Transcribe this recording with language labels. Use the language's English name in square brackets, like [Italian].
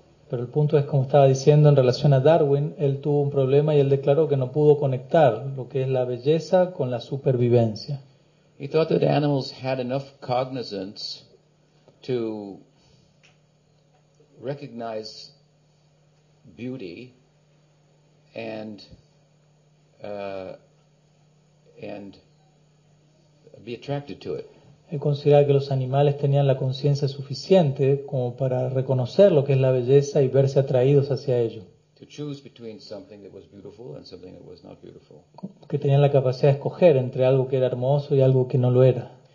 [Spanish] Pero el punto es, como estaba diciendo, en relación a Darwin, él tuvo un problema y él declaró que no pudo conectar lo que es la belleza con la supervivencia. [English] He thought that animals had enough cognizance to recognize beauty and be attracted to it. [Spanish] Él consideraba que los animales tenían la conciencia suficiente como para reconocer lo que es la belleza y verse atraídos hacia ello. [English] To choose between something that was beautiful and something that was not beautiful. [Spanish] Que tenían la capacidad de escoger entre algo que era hermoso y algo que no lo era.